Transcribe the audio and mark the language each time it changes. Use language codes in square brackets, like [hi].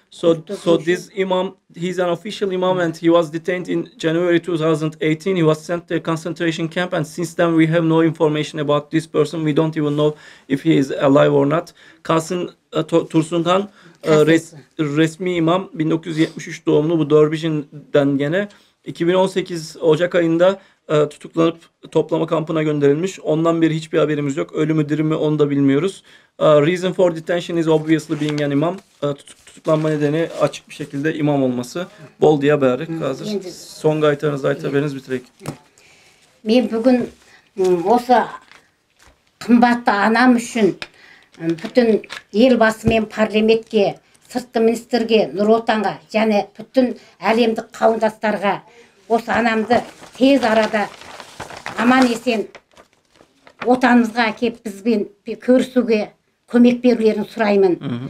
[en] So this imam, he's an official imam and he was detained in January 2018. He was sent to a concentration camp and since then we have no information about this person. We don't even know if he is alive or not. [kk] Қасын Тұрсынхан. [tr] Resmi imam 1973 doğumlu bu Dörbijin'den gene 2018 Ocak ayında tutuklanıp toplama kampına gönderilmiş. Ondan beri hiçbir haberimiz yok. Ölü mü diri mi onu da bilmiyoruz. [en] Reason for detention is obviously being an imam. [tr] Tutuklanma nedeni açık bir şekilde imam olması. Bol diye bari hazır. Son gaytanızı aytabiliriz bitirelim. [kk] Ben bugün осы қымбатты анам үшін бүтін елбасымен парламентке, сыртқы министрге, Нұр Отанға және бүтін әлемдік қауымдастарға осы анамды тез арада аман есен отанымызға әкеп бізбен көрісуге көмек берулерін сұраймын.